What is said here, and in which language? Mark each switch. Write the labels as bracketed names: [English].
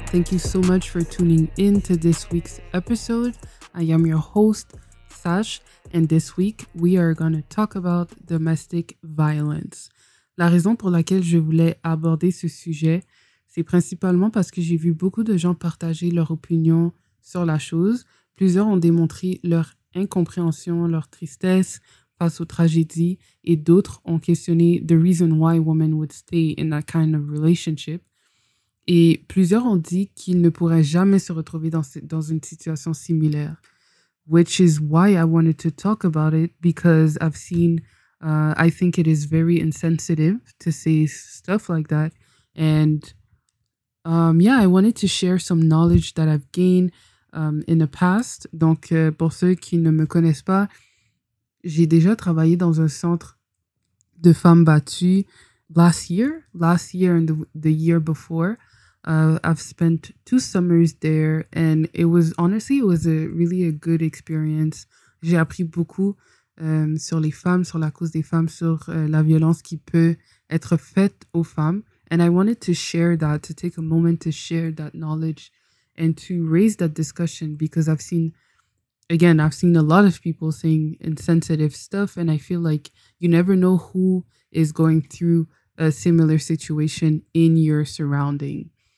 [English] Thank you so much for tuning in to this week's episode. I am your host, Sash, and this week we are going to talk about domestic violence. [French] La raison pour laquelle je voulais aborder ce sujet, c'est principalement parce que j'ai vu beaucoup de gens partager leur opinion sur la chose. Plusieurs ont démontré leur incompréhension, leur tristesse face aux tragédies, et d'autres ont questionné « [English] the reason why women would stay in that kind of relationship ». [French] Et plusieurs ont dit qu'ils ne pourraient jamais se retrouver dans une situation similaire. [English] Which is why I wanted to talk about it, because I've seen, I think it is very insensitive to say stuff like that. And I wanted to share some knowledge that I've gained in the past. [French] Donc, pour ceux qui ne me connaissent pas, j'ai déjà travaillé dans un centre de femmes battues [English] last year and the year before. I've spent 2 summers there, and it was a really good experience. [French] J'ai appris beaucoup sur les femmes, sur la cause des femmes, sur la violence qui peut être faite aux femmes. [English] And I wanted to share that, to take a moment to share that knowledge and to raise that discussion, because I've seen a lot of people saying insensitive stuff, and I feel like you never know who is going through a similar situation in your surrounding.